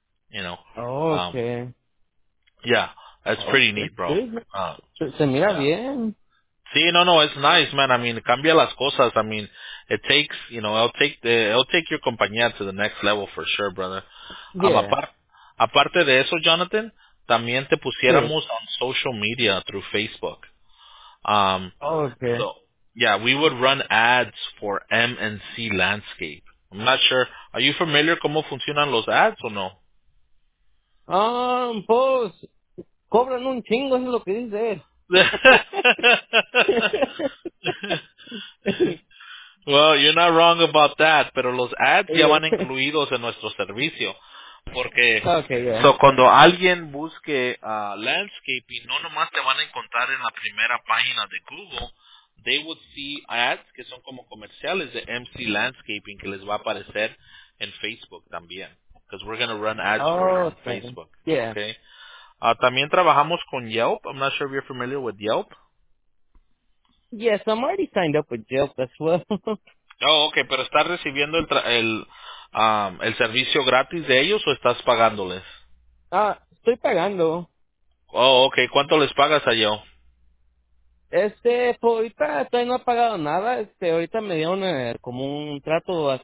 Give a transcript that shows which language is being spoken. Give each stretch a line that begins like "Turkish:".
English: You know. Oh, okay. Yeah, that's pretty neat, bro.
Spanish: Se mira bien. Sí, no,
English: it's nice, man. I mean,
Spanish: cambia las cosas.
English: I mean, it takes, you know, it'll take your compañía to the next level for sure, brother. Yeah.
Spanish: Aparte de eso, Jonathan, también te pusiéramos
English: on social media through Facebook. Okay. So, yeah, we would run ads for M&C Landscape. I'm not sure. Are you familiar
Spanish: cómo funcionan los ads o no? Pues, cobran un chingo, eso es lo que dice él.
English: Well, you're not wrong about that,
Spanish: pero los ads ya van incluidos en nuestro servicio. Porque so cuando alguien busque landscaping, no nomás te van a encontrar en la primera página de Google.
English: They would see ads
Spanish: que son como comerciales de MC Landscaping que les va a aparecer en Facebook también.
English: Because we're going to run ads on Facebook. Yeah.
Spanish: Okay. También trabajamos con Yelp.
English: I'm not sure if you're familiar with Yelp. Yes, I'm already signed up with Yelp as well. Oh, okay.
Spanish: Pero estás recibiendo el servicio gratis de ellos o estás pagándoles? Estoy pagando. Oh, okay. ¿Cuánto les pagas a Yelp? Pues ahorita todavía no ha pagado nada. Ahorita me dieron como un trato así.